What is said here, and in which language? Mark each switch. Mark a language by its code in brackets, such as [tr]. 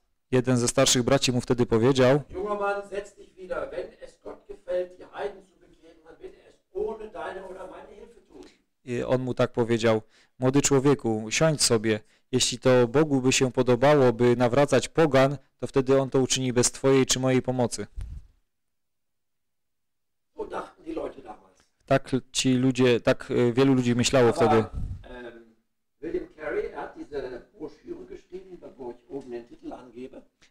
[pl] Jeden ze starszych braci mu wtedy powiedział: [de] Junger Mann, setz dich wieder, wenn es Gott gefällt, die Heiden zu bekehren, dann wird es ohne deine oder meine Hilfe tun. [pl] I on mu tak powiedział: Młody człowieku, siądź sobie. Jeśli to Bogu by się podobało, by nawracać pogan, to wtedy on to uczyni bez twojej czy mojej pomocy. [de] So dachten die Leute damals. [pl] Tak ci ludzie, tak wielu ludzi myślało [de] Aber, [pl] wtedy. [de] William Carey, er hat diese broschüre geschrieben, wo ich oben den Titel angebe.